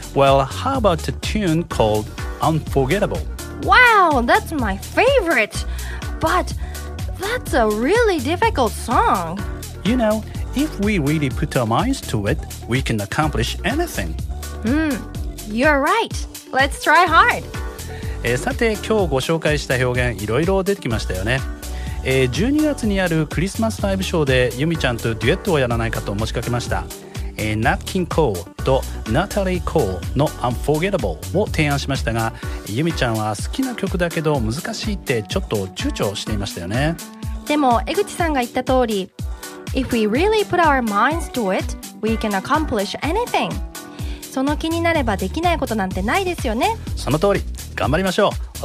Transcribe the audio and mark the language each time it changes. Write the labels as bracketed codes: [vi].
[en] Well, how about a tune called Unforgettable? Wow, that's my favorite. But that's a really difficult song. You know, if we really put our minds to it, we can accomplish anything. You're right. Let's try hard. [ja] さて、今日ご紹介した表現いろいろ出てきましたよね。 12月にあるクリスマスライブショーでユミちゃんとデュエットをやらないかと持ちかけました。ナッキン・コーとナタリー・コーの Unforgettable を提案しましたが、ユミちゃんは好きな曲だけど難しいってちょっと躊躇していましたよね。でも江口さんが言った通り [en] If we really put our minds to it, we can accomplish anything. [ja] その気になればできないことなんてないですよね。その通り、頑張りましょう。